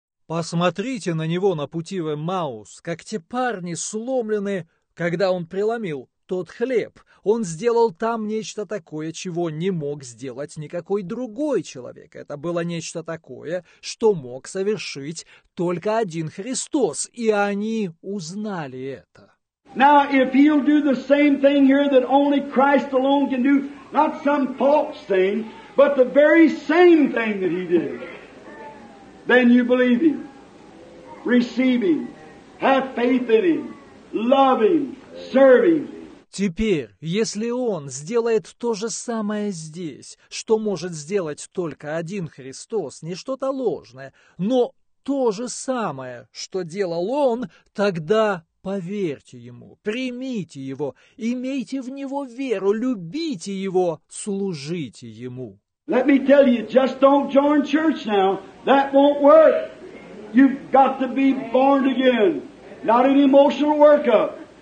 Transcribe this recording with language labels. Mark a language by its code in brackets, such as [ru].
[ru] Посмотрите на него на пути в Эммаус, как те парни сломлены, когда он преломил тот хлеб. Он сделал там нечто такое, чего не мог сделать никакой другой человек. Это было нечто такое, что мог совершить только один Христос, и они узнали это. [en] Now, if he'll do the same thing here that only Christ alone can do, not some false thing, but the very same thing that he did, then you believe Him, receive Him, have faith in Him, love Him, serve Him. [ru] Теперь, если Он сделает то же самое здесь, что может сделать только один Христос, не что-то ложное, но то же самое, что делал Он, тогда поверьте Ему, примите Его, имейте в Него веру, любите Его, служите Ему. [en] Let me tell you, just don't join church now. That won't work. You've got to be born again. Not an emotional workup.